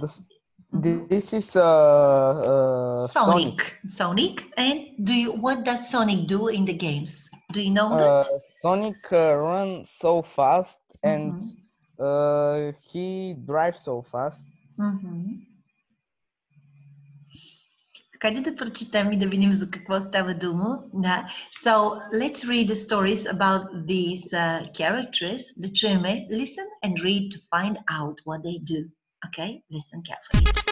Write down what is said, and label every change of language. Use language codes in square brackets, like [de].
[en] this? This is Sonic. Sonic. And what does Sonic do in the games? Do you know that? Sonic runs so fast, and he drives so fast. [bg] Хайде да прочитам и да видим за какво става дума. Да. [en] So, let's read the stories about these characters. [bg] Да чуеме. [en] Listen and read to find out what they do. Okay? Listen carefully.